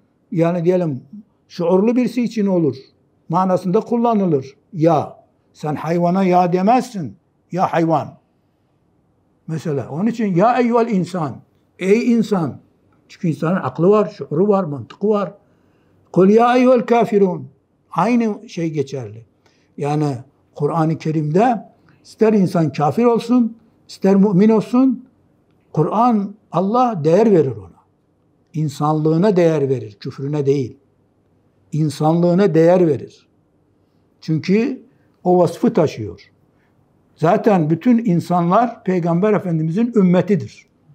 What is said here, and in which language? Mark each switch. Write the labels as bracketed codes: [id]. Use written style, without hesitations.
[tr] Yani diyelim, şuurlu birisi için olur. Manasında kullanılır. Ya, sen hayvana ya demezsin. Ya hayvan. Mesela onun için [ar] ya eyyüel insan, [tr] ey insan. Çünkü insanın aklı var, şuuru var, mantığı var. [ar] قُلْ يَا اَيُّهَا الْكَافِرُونَ [tr] Aynı şey geçerli. Yani Kur'an-ı Kerim'de ister insan kafir olsun, ister mümin olsun, Kur'an, Allah değer verir ona. İnsanlığına değer verir, küfrüne değil. İnsanlığına değer verir. Çünkü o vasfı taşıyor. Zaten bütün insanlar Peygamber Efendimiz'in ümmetidir.